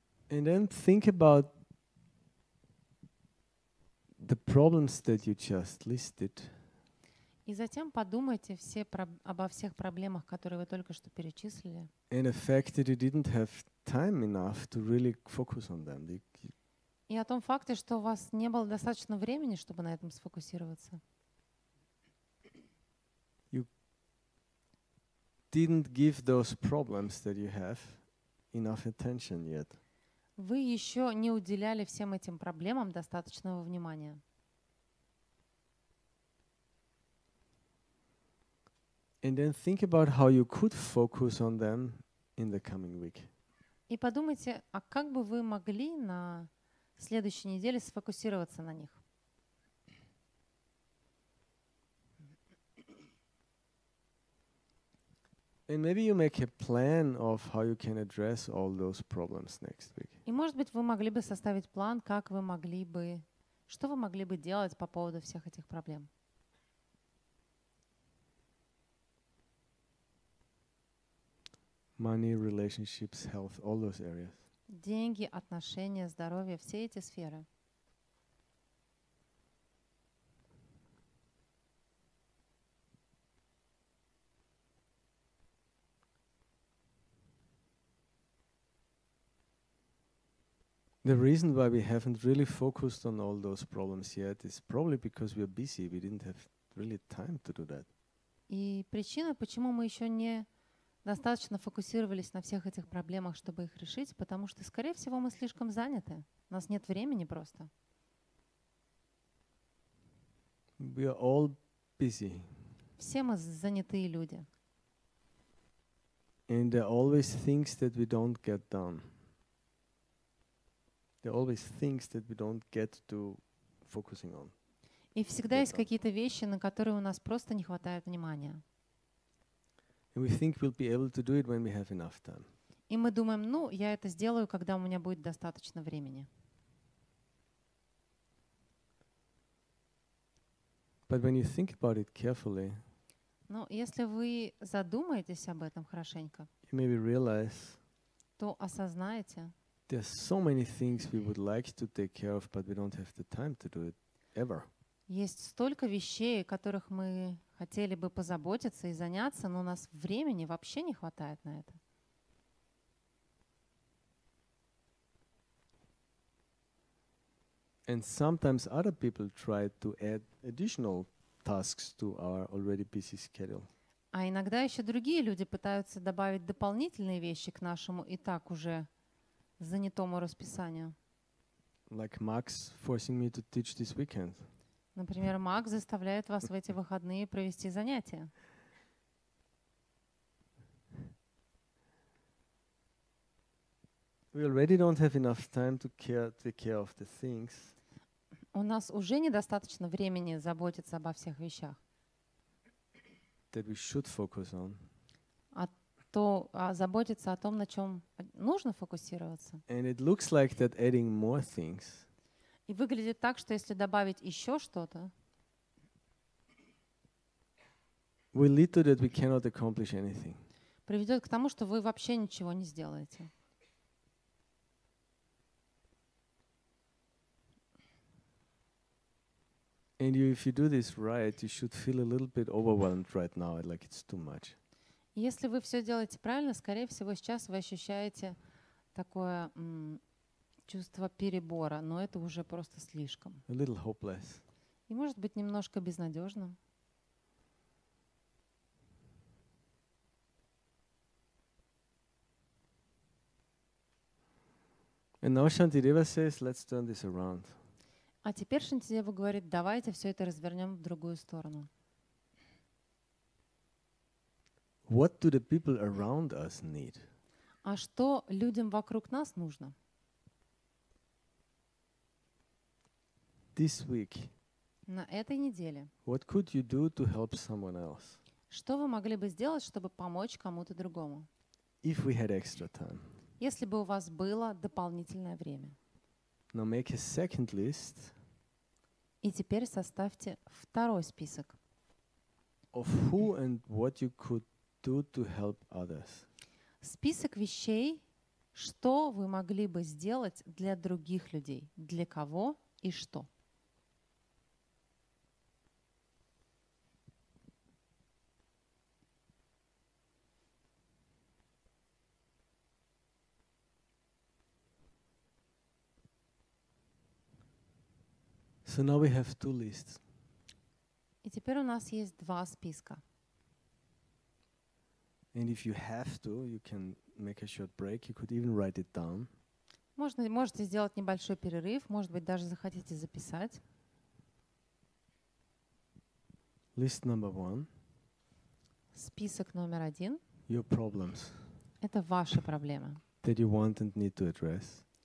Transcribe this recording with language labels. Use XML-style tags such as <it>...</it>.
<en>And then think about the problems that you just listed.</en> <ru>И затем подумайте все обо всех проблемах, которые вы только что перечислили.</ru> <en>And the fact that you didn't have time enough to really focus on them.</en> <ru>И о том факте, что у вас не было достаточно времени, чтобы на этом сфокусироваться.</ru> <en>You didn't give those problems that you have enough attention yet.</en> <ru>Вы еще не уделяли всем этим проблемам достаточного внимания.</ru> <en>And then think about how you could focus on them in the coming week.</en> <ru>И подумайте, а как бы вы могли на следующей неделе сфокусироваться на них?</ru> <en>And maybe you make a plan of how you can address all those problems next week.</en> <ru>И может быть, вы могли бы составить план, как вы могли бы, что вы могли бы делать по поводу всех этих проблем.</ru> <en>Money, relationships, health, all those areas.</en> <ru>Деньги, отношения, здоровье, все эти сферы.</ru> <en>The reason why we haven't really focused on all those problems yet is probably because we are busy. We didn't have really time to do that.</en> <ru>И причина, почему мы еще не достаточно фокусировались на всех этих проблемах, чтобы их решить, потому что, скорее всего, мы слишком заняты. У нас нет времени просто.</ru> <en>We are all busy.</en> <ru>Все мы занятые люди.</ru> <en>And there are always things that we don't get done. There are always things that we don't get to focusing on.</en> <ru>И всегда есть какие-то вещи, на которые у нас просто не хватает внимания.</ru> <en>And we think we'll be able to do it when we have enough time.</en> <ru>И мы думаем, ну, я это сделаю, когда у меня будет достаточно времени.</ru> <en>But when you think about it carefully,</en> <ru>но если вы задумаетесь об этом хорошенько,</ru> <en>you maybe realize,</en> <ru>то осознаете,</ru> <en>there are so many things we would like to take care of, but we don't have the time to do it ever.</en> <ru>Есть столько вещей, о которых мы хотели бы позаботиться и заняться, но у нас времени вообще не хватает на это.</ru> <en>And sometimes other people try to add additional tasks to our already busy schedule.</en> <ru>А иногда еще другие люди пытаются добавить дополнительные вещи к нашему и так уже занятому расписанию.</ru> <en>Like Max forcing me to teach this weekend.</en> <ru>Например, Макс заставляет вас в эти выходные провести занятия.</ru> <en>We already don't have enough time to care, take care of the things.</en> <ru>У нас уже недостаточно времени заботиться обо всех вещах.</ru> <en>That we should focus on.</en> <ru>То заботиться о том, на чем нужно фокусироваться.</ru> <en>And it looks like that adding more things,</en> <ru>и выглядит так, что если добавить еще что-то,</ru> <en>we lead to that we cannot accomplish anything.</en> <ru>Приведет к тому, что вы вообще ничего не сделаете.</ru> <en>And if you do this right, you should feel a little bit overwhelmed right now, like it's too much.</en> <ru>Если вы все делаете правильно, скорее всего, сейчас вы ощущаете такое чувство перебора, но это уже просто слишком.</ru> <en>A little hopeless.</en> <ru>И может быть немножко безнадежно.</ru> <en>And now Shantideva says, let's turn this around.</en> <ru>А теперь Шантидева говорит, давайте все это развернем в другую сторону.</ru> <en>What do the people around us need?</en> <ru>А что людям вокруг нас нужно?</ru> <en>This week.</en> <ru>На этой неделе.</ru> <en>What could you do to help someone else?</en> <ru>Что вы могли бы сделать, чтобы помочь кому-то другому?</ru> <en>If we had extra time.</en> <ru>Если бы у вас было дополнительное время.</ru> <en>Now make a second list.</en> <ru>И теперь составьте второй список.</ru> <en>Of who and what you could do to help others.</en> <ru>Список вещей, что вы могли бы сделать для других людей, для кого и что.</ru> <en>So now we have two lists.</en> <ru>И теперь у нас есть два списка.</ru> <en>And if you have to, you can make a short break. You could even write it down.</en> <ru>Можете сделать небольшой перерыв, может быть, даже захотите записать.</ru> <en>List number one.</en> <ru>Список номер один.</ru> <en>Your problems.</en> <ru>Это ваши проблемы.</ru> <en>That you want and need to address.</en>